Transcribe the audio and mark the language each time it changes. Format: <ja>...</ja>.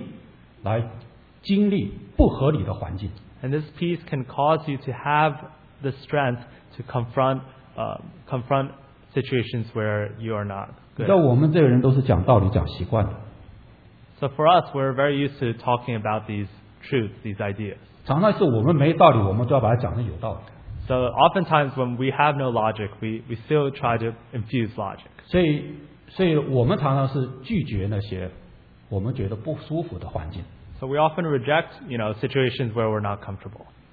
<zh>甚至这个平安能够叫你可以有能力来经历不合理的环境。</zh> <en>And this peace can cause you to have the strength to confront situations where you are not good.</en> <zh>你知道我们这个人都是讲道理讲习惯的。</zh> <en>So for us, we're very used to talking about these truths, these ideas.</en> <zh>常常是我们没道理, 我们都要把它讲得有道理。</zh> <en>So oftentimes when we have no logic, we still try to infuse logic.</en> <zh>所以我们常常是拒绝那些我们觉得不舒服的环境。</zh> <en>So we often reject, you know, situations where we're not comfortable.</en>